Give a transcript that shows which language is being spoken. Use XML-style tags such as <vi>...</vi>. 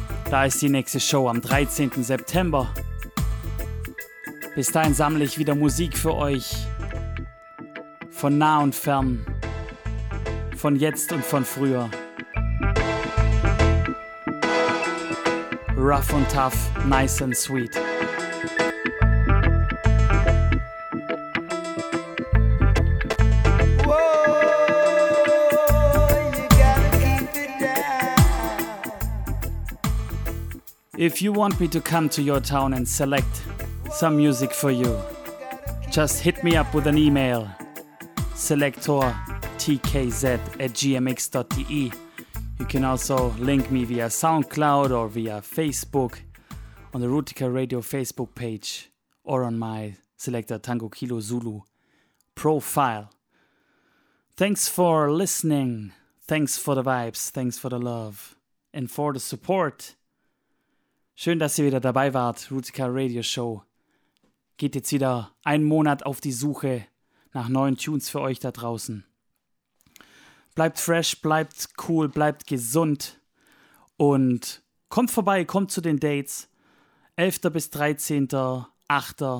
<de>Da ist die nächste Show am 13. September. Bis dahin sammle ich wieder Musik für euch. Von nah und fern. Von jetzt und von früher.</de> <en>Rough and tough, nice and sweet. If you want me to come to your town and select some music for you, just hit me up with an email, selectortkz@gmx.de. You can also link me via SoundCloud or via Facebook on the Rootikal Radio Facebook page or on my Selector Tango Kilo Zulu profile. Thanks for listening. Thanks for the vibes. Thanks for the love and for the support.</en> <de>Schön, dass ihr wieder dabei wart, Rootikal Radio Show. Geht jetzt wieder einen Monat auf die Suche nach neuen Tunes für euch da draußen. Bleibt fresh, bleibt cool, bleibt gesund und kommt vorbei, kommt zu den Dates. 11. bis 13. 8.</de>